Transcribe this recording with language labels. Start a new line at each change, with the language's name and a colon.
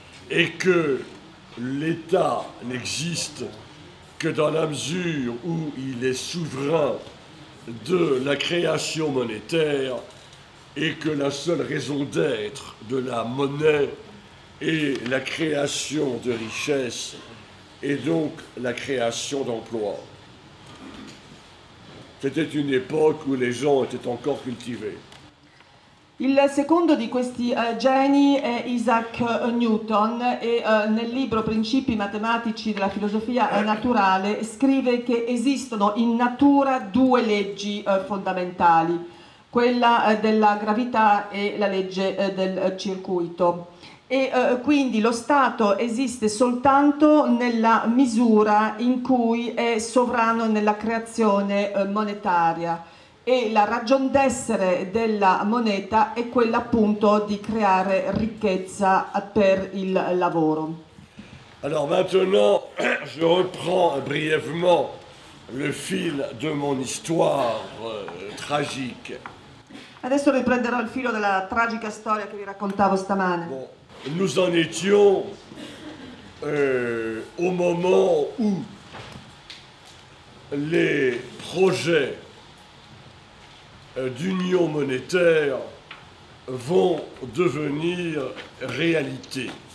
French: et que l'État n'existe que dans la mesure où il est souverain de la création monétaire et que la seule raison d'être de la monnaie et la création de richesses, et donc la création d'emplois. C'était une époque où les gens étaient encore cultivés.
Italian: Il secondo di questi geni è Isaac Newton, e nel libro Principi matematici della filosofia naturale scrive che esistono in natura due leggi fondamentali, quella della gravità e la legge del circuito. E quindi lo Stato esiste soltanto nella misura in cui è sovrano nella creazione monetaria, e la ragion d'essere della moneta è quella appunto di creare ricchezza per il lavoro.
French: Alors maintenant je reprends brièvement le fil de mon histoire tragique.
Italian: Adesso riprenderò il filo della tragica storia che vi raccontavo stamane.
French: Bon. Nous en étions au moment où les projets d'union monétaire vont devenir réalité.